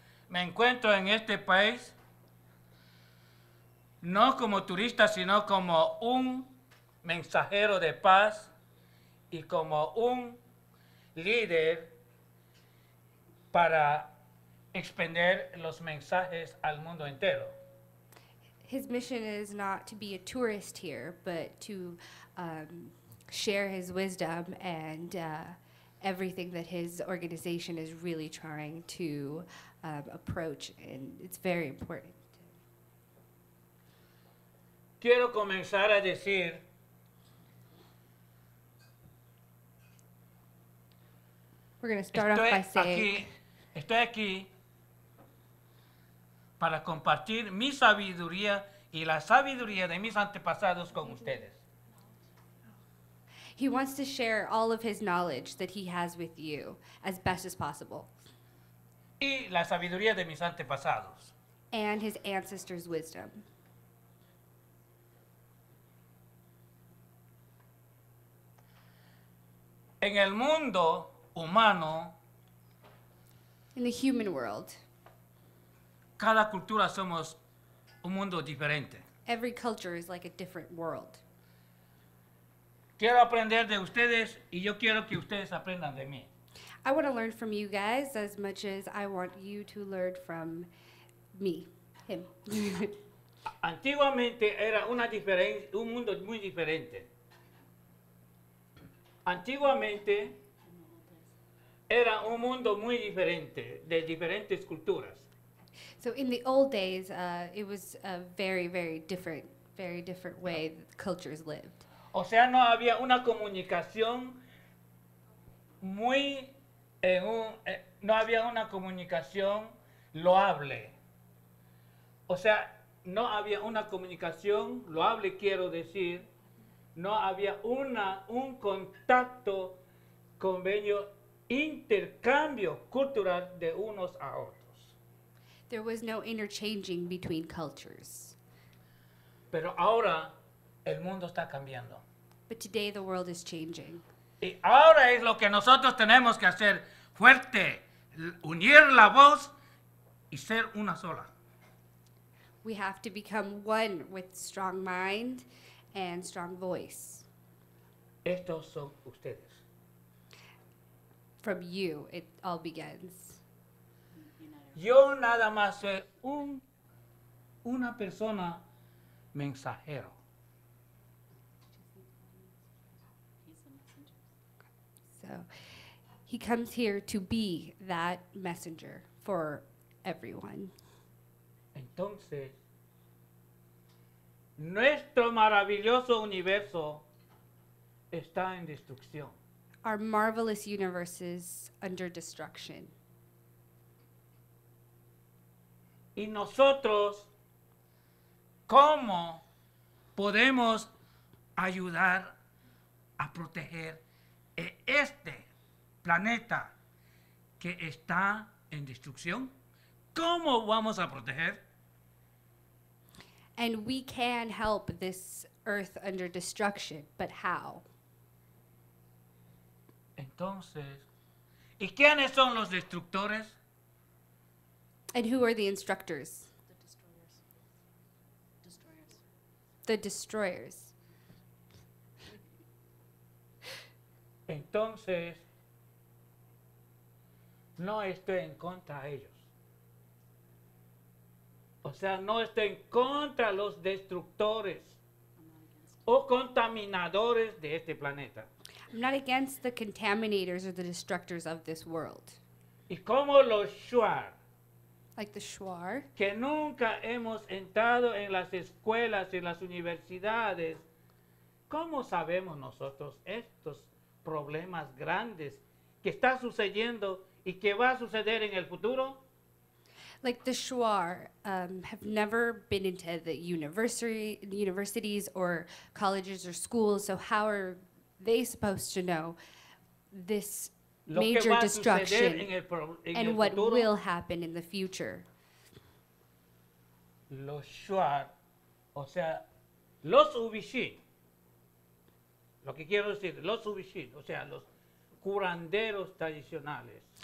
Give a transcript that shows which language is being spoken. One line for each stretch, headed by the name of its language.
Spanish: Me encuentro en este país no como turista, sino como un mensajero de paz y como un líder para expander los mensajes al mundo entero.
English: His mission is not to be a tourist here, but to share his wisdom and everything that his organization is really trying to approach, and it's very important.
Spanish: Quiero comenzar a decir
English: we're going to start off by saying
Spanish: estoy aquí para compartir mi sabiduría y la sabiduría de mis antepasados con ustedes.
English: He wants to share all of his knowledge that he has with you as best as possible.
Spanish: Y la sabiduría de mis antepasados.
English: And his ancestors' wisdom.
Spanish: En el mundo humano.
English: In the human world.
Spanish: Cada cultura somos un mundo diferente.
English: Every culture is like a different world.
Spanish: Quiero aprender de ustedes y yo quiero que ustedes aprendan de mí.
English: I want to learn from you guys as much as I want you to learn from me, him.
Spanish: Antiguamente era una un mundo muy diferente. Antiguamente era un mundo muy diferente de diferentes culturas.
English: So in the old days, it was a very, very different way that cultures lived.
Spanish: O sea, no había una comunicación no había una comunicación loable. O sea, no había una comunicación loable, quiero decir, no había un contacto con bello intercambio cultural de unos a otros.
English: There was no interchanging between cultures.
Spanish: Pero ahora el mundo está cambiando.
English: But today the world is changing.
Spanish: Y ahora es lo que nosotros tenemos que hacer fuerte, unir la voz y ser una sola.
English: We have to become one with strong mind and strong voice.
Spanish: Estos son ustedes.
English: From you, it all begins.
Spanish: Yo nada más soy una persona mensajero.
English: So he comes here to be that messenger for everyone.
Spanish: Entonces, nuestro maravilloso universo está en destrucción.
English: Our marvelous universe is under destruction.
Spanish: Y nosotros, ¿cómo podemos ayudar a proteger este planeta que está en destrucción? ¿Cómo vamos a proteger?
English: And we can help this earth under destruction, but how?
Spanish: Entonces, ¿y quiénes son los destructores?
English: And who are the instructors? The destroyers. The destroyers.
Spanish: Entonces, no estoy en contra de ellos. O sea, no estoy en contra de los destructores o contaminadores de este planeta.
English: I'm not against the contaminators or the destructors of this world.
Spanish: Y como los shuar.
English: Like the shuar.
Spanish: Que nunca hemos entrado en las escuelas, en las universidades. ¿Cómo sabemos nosotros estos problemas grandes que está sucediendo y que va a suceder en el futuro?
English: Like the shuar have never been into the universities or colleges or schools, so how are they supposed to know this major destruction and what will happen in the future?
Spanish: Los shuar, o sea, los ubishin, lo que quiero decir, los ubishin, o sea, los curanderos tradicionales.